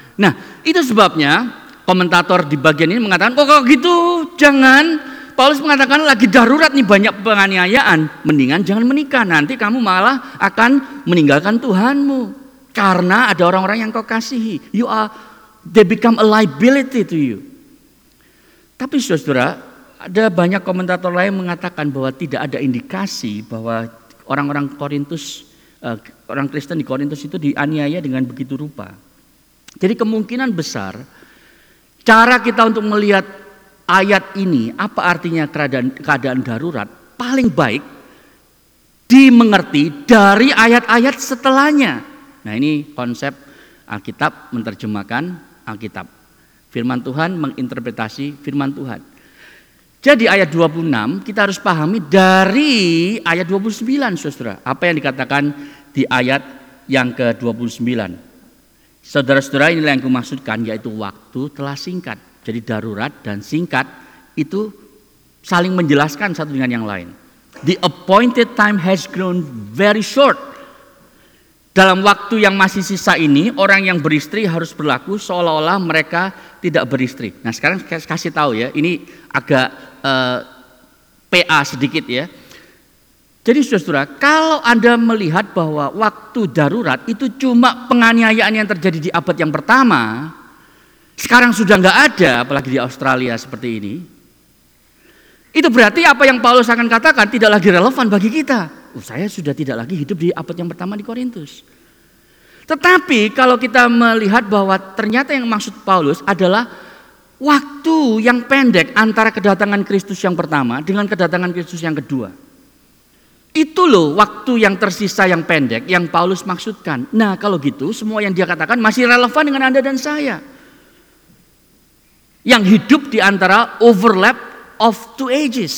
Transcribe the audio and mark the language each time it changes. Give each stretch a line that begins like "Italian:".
Indonesian: Nah, itu sebabnya komentator di bagian ini mengatakan, kok gitu, jangan. Paulus mengatakan lagi darurat nih, banyak penganiayaan. Mendingan jangan menikah, nanti kamu malah akan meninggalkan Tuhanmu. Karena ada orang-orang yang kau kasihi.
English: They become a liability to you.
Indonesian: Tapi saudara, ada banyak komentator lain mengatakan bahwa tidak ada indikasi bahwa orang-orang Korintus, orang Kristen di Korintus itu dianiaya dengan begitu rupa. Jadi kemungkinan besar, cara kita untuk melihat ayat ini, apa artinya keadaan darurat, paling baik dimengerti dari ayat-ayat setelahnya. Nah ini konsep Alkitab menerjemahkan Alkitab. Firman Tuhan menginterpretasi firman Tuhan. Jadi ayat 26 kita harus pahami dari ayat 29, saudara. Apa yang dikatakan di ayat yang ke-29. Saudara-saudara, inilah yang kumaksudkan, yaitu waktu telah singkat. Jadi darurat dan singkat itu saling menjelaskan satu dengan yang lain.
English: The appointed time has grown very short.
Indonesian: Dalam waktu yang masih sisa ini, orang yang beristri harus berlaku seolah-olah mereka tidak beristri. Nah sekarang kasih tahu ya, ini agak PA sedikit ya. Jadi saudara, kalau Anda melihat bahwa waktu darurat itu cuma penganiayaan yang terjadi di abad yang pertama, sekarang sudah enggak ada, apalagi di Australia seperti ini, itu berarti apa yang Paulus akan katakan tidak lagi relevan bagi kita. Saya sudah tidak lagi hidup di abad yang pertama di Korintus. Tetapi kalau kita melihat bahwa ternyata yang maksud Paulus adalah waktu yang pendek antara kedatangan Kristus yang pertama dengan kedatangan Kristus yang kedua. Itu loh waktu yang tersisa yang pendek yang Paulus maksudkan. Nah kalau gitu semua yang dia katakan masih relevan dengan Anda dan saya. Yang hidup di antara
English: overlap of two ages.